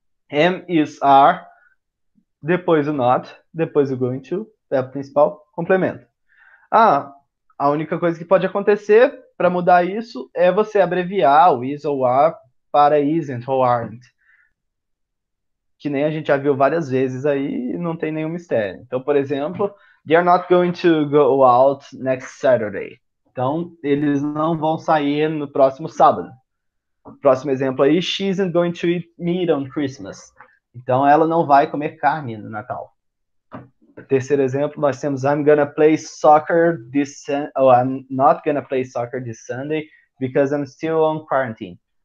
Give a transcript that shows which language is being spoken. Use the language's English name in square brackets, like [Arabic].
[Portuguese] Am, is, are. Depois o not. Depois o going to. Verbo principal. Complemento. Ah, a única coisa que pode acontecer para mudar isso é você abreviar o is ou are para isn't ou aren't. Que nem a gente já viu várias vezes aí e não tem nenhum mistério. Então, por exemplo, [English] they are not going to go out next Saturday. [Portuguese] Então, eles não vão sair no próximo sábado. Próximo exemplo aí, [English] she isn't going to eat meat on Christmas. [Portuguese] Então, ela não vai comer carne no Natal. Terceiro exemplo, nós temos [English] I'm gonna play soccer this oh, I'm not gonna play soccer this Sunday because I'm still on quarantine.